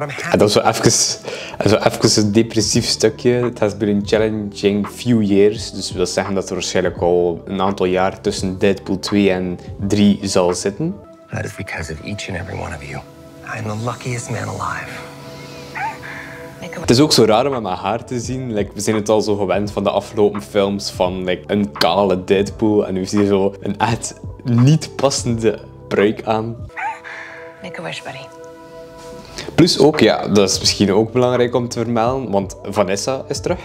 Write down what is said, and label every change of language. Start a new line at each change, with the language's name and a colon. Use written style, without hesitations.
Dutch: En dat is wel even een depressief stukje.
English: It has been a challenging few years.
Dutch: Dus dat wil zeggen dat er waarschijnlijk al een aantal jaar tussen Deadpool 2 en 3 zal zitten. Dat is
English: because of each and every one of you. I'm the luckiest man alive.
Dutch: Het is ook zo raar om met mijn haar te zien. Like, we zijn het al zo gewend van de afgelopen films van like, een kale Deadpool. En nu zie je zo een echt niet passende pruik aan.
English: Make a wish, buddy.
Dutch: Plus ook, ja, dat is misschien ook belangrijk om te vermelden, want Vanessa is terug.